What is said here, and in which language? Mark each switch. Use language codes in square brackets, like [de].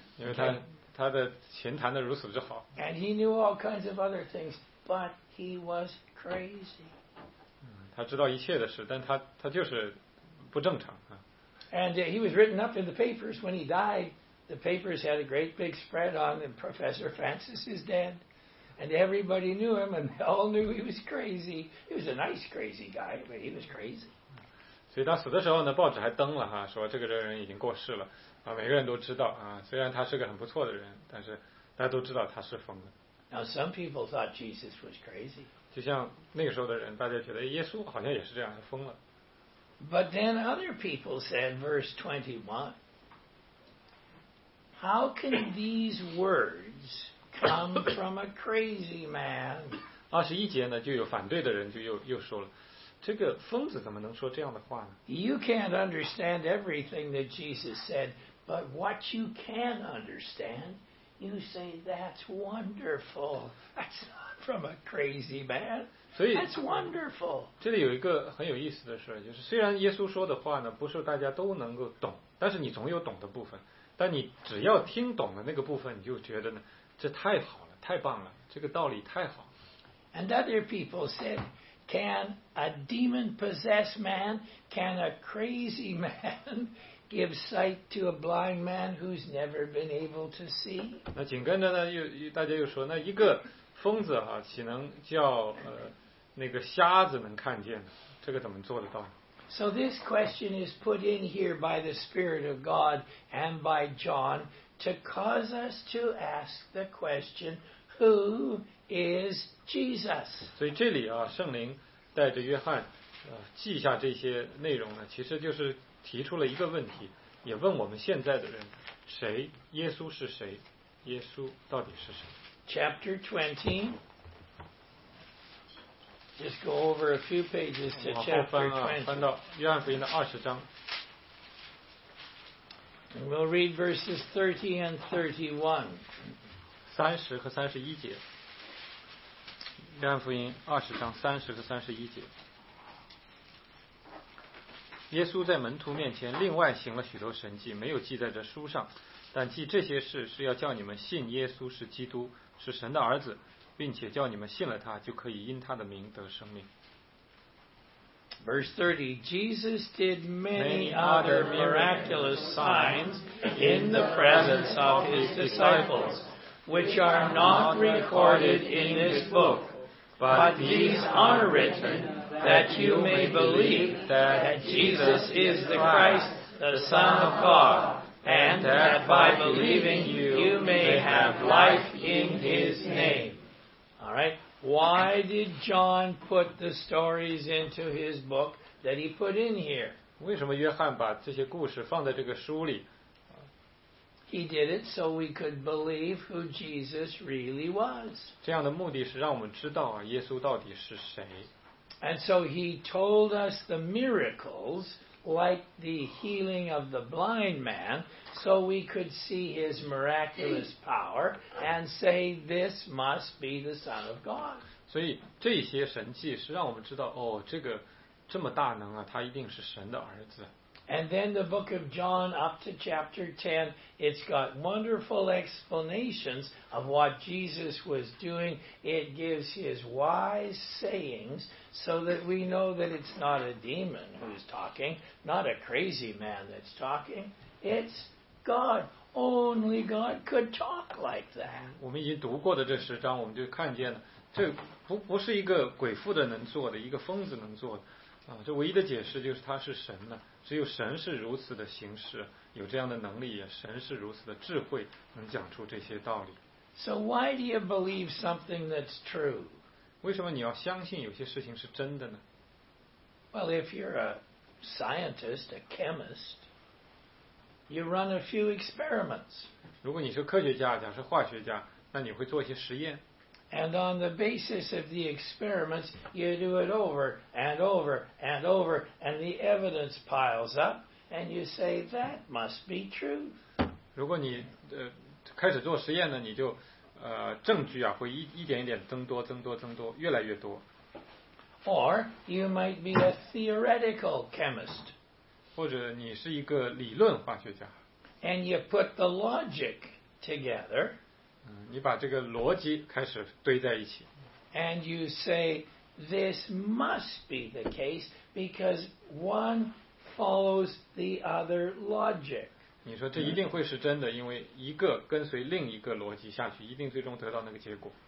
[zh] 因为他的琴弹得如此之好。 [en] And he knew all kinds of other things, but. He was crazy. [zh] 他知道一切的事，但他就是不正常啊。 [en] And he was written up in the papers when he died. The papers had a great big spread on him. Professor Francis is dead, and everybody knew him, and they all knew he was crazy. He was a nice crazy guy, but he was crazy. [zh] 所以他死的时候呢，报纸还登了哈，说这个人已经过世了啊，每个人都知道啊。虽然他是个很不错的人，但是大家都知道他是疯的。 [en] Now some people thought Jesus was crazy. [zh] 就像那个时候的人，大家觉得耶稣好像也是这样，疯了。 [en] But then other people said, verse 21, how can these words come from a crazy man? [zh] 二十一节呢，就有反对的人就又说了，这个疯子怎么能说这样的话呢？ [en] You can't understand everything that Jesus said, but what you can understand. You say that's wonderful. That's not from a crazy man. That's wonderful. [zh] 这里有一个很有意思的事，就是虽然耶稣说的话呢不是大家都能够懂，但是你总有懂的部分。但你只要听懂了那个部分，你就觉得呢，这太好了，太棒了，这个道理太好。 [en] And other people said, "Can a demon-possessed man? Can a crazy man?" Give sight to a blind man who's never been able to see. [zh] 那紧跟着呢，又大家又说，那一个疯子哈、啊，岂能叫那个瞎子能看见呢？这个怎么做得到？ [en] So this question is put in here by the Spirit of God and by John to cause us to ask the question, "Who is Jesus?" [zh] 所以这里啊，圣灵带着约翰记下这些内容呢，其实就是。提出了一个问题，也问我们现在的人，谁？耶稣是谁？耶稣到底是谁 [en] ？Chapter 20. Just go over a few pages to chapter 20. [zh] 翻到约翰福音的二十章。 [en] And we'll read verses 30 and 31. [zh] 30和31节。约翰福音二十章三十和三十一节。耶稣在门徒面前另外行了许多神迹，没有记在这书上，但记这些事是要叫你们信耶稣是基督，是神的儿子，并且叫你们信了他，就可以因他的名得生命。 [en] Verse 30, Jesus did many other miraculous signs in the presence of his disciples, which are not recorded in this book, but these are written that you may believe that Jesus is the Christ, the Son of God, and that by believing you may have life in his name. All right. Why did John put the stories into his book that he put in here? [zh] 为什么约翰把这些故事放在这个书里？ [en] He did it so we could believe who Jesus really was. [zh] 这样的目的是让我们知道耶稣到底是谁。 [en] And so he told us the miracles, like the healing of the blind man, so we could see his miraculous power and say this must be the Son of God. [zh] 所以这些神迹是让我们知道，哦，这个这么大能啊，他一定是神的儿子。 [en] And then the book of John up to chapter 10, it's got wonderful explanations of what Jesus was doing. It gives his wise sayings so that we know that it's not a demon who's talking, not a crazy man that's talking, it's God, only God could talk like that. [zh] 我们已经读过的这十章，我们就看见了，这不是一个鬼附的能做的，一个疯子能做的，啊，这唯一的解释就是他是神呢，只有神是如此的行事，有这样的能力，神是如此的智慧，能讲出这些道理。 [en] So why do you believe something that's true? [zh] 为什么你要相信有些事情是真的呢？ [en] Well, if you're a scientist, a chemist,You run a few experiments. [zh] 如果你是科学家，假设化学家，那你会做一些实验。 [en] And on the basis of the experiments, you do it over and over and over, and the evidence piles up, and you say that must be true. [zh] 如果你开始做实验呢，你就证据啊会一点一点增多，增多，增多，越来越多。 [en] Or you might be a theoretical chemist. [zh] 或者你是一个理论化学家 [en] and you put the logic together, [zh] 你把这个逻辑开始堆在一起 [en] and you say this must be the case because one follows the other logic [zh] 你说这一定会是真的因为一个跟随另一个逻辑下去一定最终得到那个结果